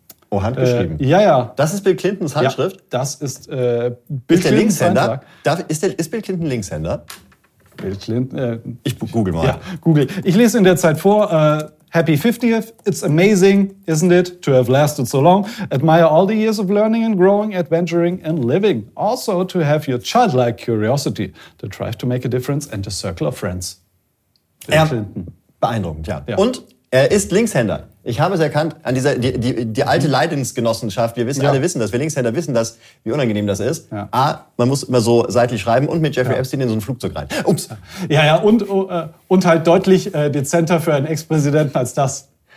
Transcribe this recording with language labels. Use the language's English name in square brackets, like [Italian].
[German] Oh, handgeschrieben. Das ist Bill Clintons Handschrift? Ja, das ist Bill Clintons Linkshänder? Ist Bill Clinton Linkshänder? Bill Clinton? Ich google mal. Ja, google. Ich lese in der Zeit vor, [English] Happy 50th. It's amazing, isn't it, to have lasted so long. Admire all the years of learning and growing, adventuring and living. Also to have your childlike curiosity, the drive to make a difference and a circle of friends. [German] Clinton. Beeindruckend, ja. Und er ist Linkshänder. Ich habe es erkannt, an dieser die alte Leidensgenossenschaft, wir wissen, alle wissen das, wir Linkshänder wissen das, wie unangenehm das ist. Ja. Man muss immer so seitlich schreiben und mit Jeffrey Epstein in so ein Flugzeug rein. Ups. Ja, und halt deutlich dezenter für einen Ex-Präsidenten als das.